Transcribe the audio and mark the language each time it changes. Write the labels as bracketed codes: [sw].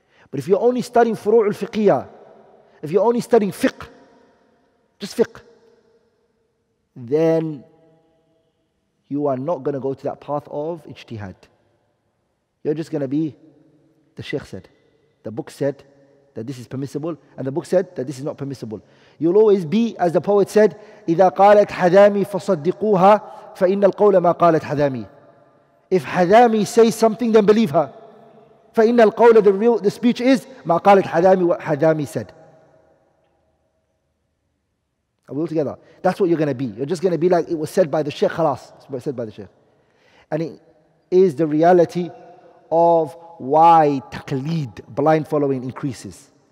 [en] But if you're only studying furu' al-fiqhiyah, if you're only studying fiqh, just fiqh, then you are not going to go to that path of ijtihad. You're just going to be, the sheikh said, the book said that this is permissible, and the book said that this is not permissible. You'll always be, as the poet said, [ar] إِذَا قَالَتْ حَذَامِي فَصَدِّقُوهَا فَإِنَّ الْقَوْلَ مَا قَالَتْ حَذَامِي. [en] If Hadami says something, then believe her. [ar] فَإِنَّ الْقَوْلَ, [en] the speech is [ar] مَا قَالَتْ حَذَامِي, [en] what Hadami said. Are we all together? That's what you're going to be. You're just going to be like, it was said by the sheikh, خلاص. It was said by the sheikh. And it is the reality of why taqlid, blind following, increases.